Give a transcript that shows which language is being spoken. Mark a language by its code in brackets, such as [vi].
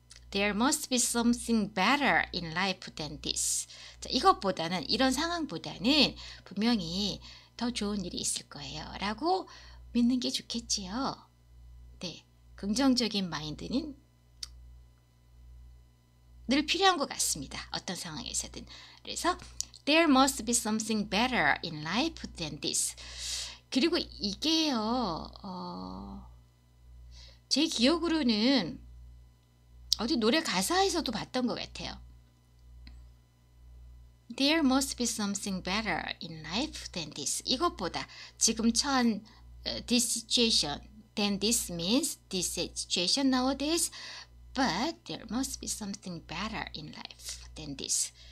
[en] There must be something better in life than this. [ko] 자, 이것보다는, 이런 상황보다는 분명히 더 좋은 일이 있을 거예요. 라고 믿는 게 좋겠지요. 네, 긍정적인 마인드는 늘 필요한 것 같습니다. 어떤 상황에서든. 그래서 [en] there must be something better in life than this. [ko] 그리고 이게요. 제 기억으로는 어디 노래 가사에서도 봤던 것 같아요. [en] There must be something better in life than this. [ko] 이것보다 지금 처한 [en] this situation. Then this means this situation nowadays. But there must be something better in life than this.